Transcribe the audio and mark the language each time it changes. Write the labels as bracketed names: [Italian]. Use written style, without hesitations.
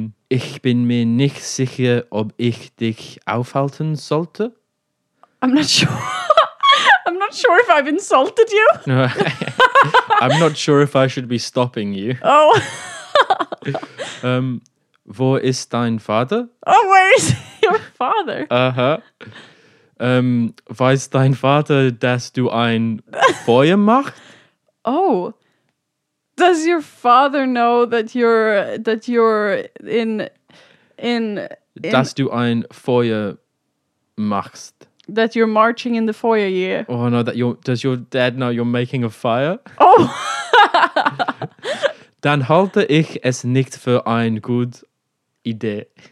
[German] Ich bin mir nicht sicher, ob ich dich aufhalten sollte. [English] I'm not sure. I'm not sure if I've insulted you. No, I'm not sure if I should be stopping you. Oh. [German] Wo ist dein Vater? [English] Oh, where is your father? Uh-huh. [German] Weiß dein Vater, dass du ein Feuer machst? [English] Oh. Does your father know that you're in... [German] Dass du ein Feuer machst? [English] That you're marching in the foyer, yeah. Oh, no, does your dad know you're making a fire? Oh! [German] Dann halte ich es nicht für eine gute Idee.